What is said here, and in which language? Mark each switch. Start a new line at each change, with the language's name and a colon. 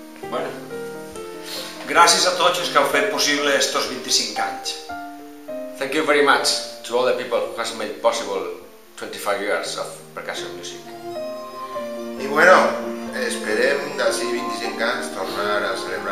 Spanish: Bueno, gracias a todos los que han hecho posible estos 25 años.
English: Thank you very much to all the people who has made possible 25 years of percussion music.
Catalan: I bueno, esperem d'ací 25 anys tornar a ser